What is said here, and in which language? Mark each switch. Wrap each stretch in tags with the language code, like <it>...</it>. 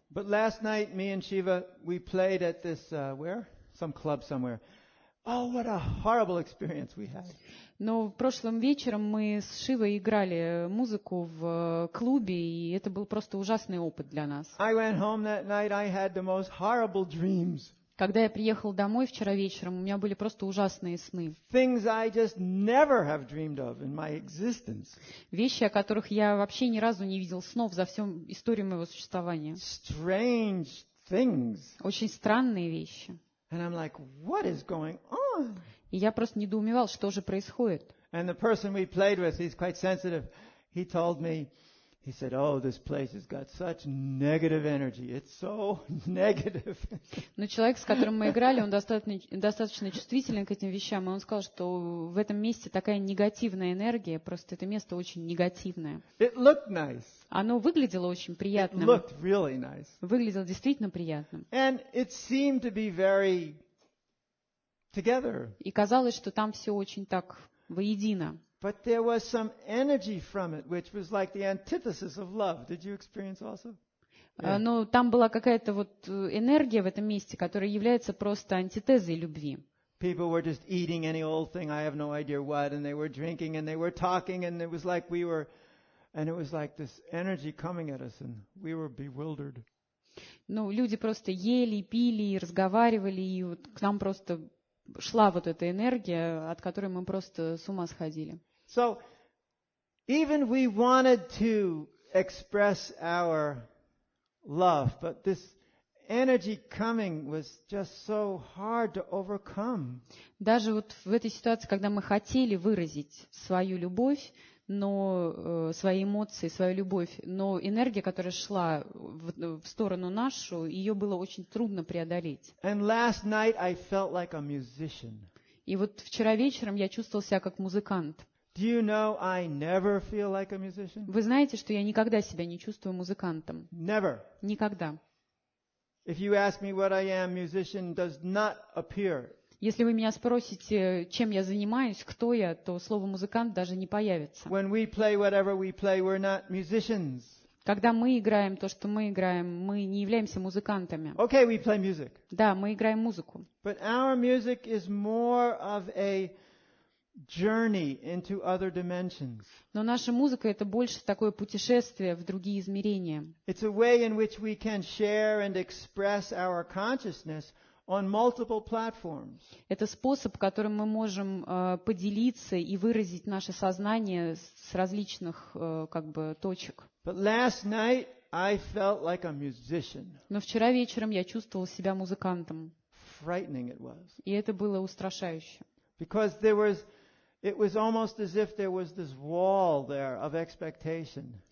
<en>But last night me and Shiva we played at this where? Some club somewhere. Oh, what a horrible experience we had.</en> <ru>Но прошлым вечером мы с Шивой играли музыку в клубе, и это был просто ужасный опыт для нас.</ru> <en>I went home that night, I had the most horrible dreams.</en> <ru>Когда я приехал домой вчера вечером, у меня были просто ужасные сны.</ru> <en>Things I just never have dreamed of in my existence.</en> <ru>Вещи, о которых я вообще ни разу не видел снов за всю историю моего существования.</ru> <en>Strange things.</en> <ru>Очень странные вещи.</ru> <en>And I'm like, what is going on?</en> <ru>И я просто недоумевал, что же происходит.</ru> <en>And the person we played with, he's quite sensitive. He told me, he said, "Oh, this place has got such negative energy. It's so negative."</en> <ru>Но человек, с которым мы играли, он достаточно чувствителен к этим вещам, и он сказал, что в этом месте такая негативная энергия, просто это место очень негативное.</ru> <en>It looked nice.</en> <ru>Оно выглядело очень приятным.</ru> <en>It looked really nice.</en> <ru>Выглядело действительно приятным.</ru> <en>And it seemed to be very together.</en> <ru>И казалось, что там все очень так воедино.</ru> <en>But there was some energy from it, which was like the antithesis of love. Did you experience also?</en> <ru>Но там была какая-то вот энергия в этом месте, которая является просто антитезой любви.</ru> <en>People were just eating any old thing. I have no idea what, and they were drinking and they were talking, and it was like we were, and it was like this energy coming at us, and we were bewildered.</en> <ru>Ну, люди просто ели, пили, разговаривали, и вот к нам просто шла вот эта энергия, от которой мы просто с ума сходили.</ru> <en>So, even we wanted to express our love, but this energy coming was just so hard to overcome.</en> <ru>Даже вот в этой ситуации, когда мы хотели выразить свою любовь, но свои эмоции, свою любовь, но энергия, которая шла в сторону нашу, ее было очень трудно преодолеть.</ru> <en>And last night I felt like a musician.</en> <ru>И вот вчера вечером я чувствовал себя как музыкант.</ru> <en>Do you know I never feel like a musician?</en> <ru>Вы знаете, что я никогда себя не чувствую музыкантом?</ru> <en>Never.</en> <ru>Никогда.</ru> <en>If you ask me what I am, musician does not appear.</en> <ru>Если вы меня спросите, чем я занимаюсь, кто я, то слово «музыкант» даже не появится.</ru> <en>When we play whatever we play, we're not musicians.</en> <ru>Когда мы играем то, что мы играем, мы не являемся музыкантами.</ru> <en>Okay, we play music.</en> <ru>Да, мы играем музыку.</ru> <en>But our music is more of a journey into other dimensions.</en> <ru>Но наша музыка — это больше такое путешествие в другие измерения.</ru> <en>It's a way in which we can share and express our consciousness on multiple platforms.</en> <ru>Это способ, которым мы можем поделиться и выразить наше сознание с различных как бы точек.</ru> <en>But last night I felt like a musician.</en> <ru>Но вчера вечером я чувствовал себя музыкантом.</ru> <en>Frightening it was.</en> <ru>И это было устрашающе.</ru> <en>Because there was it was almost as if there was this wall there of expectation.</en>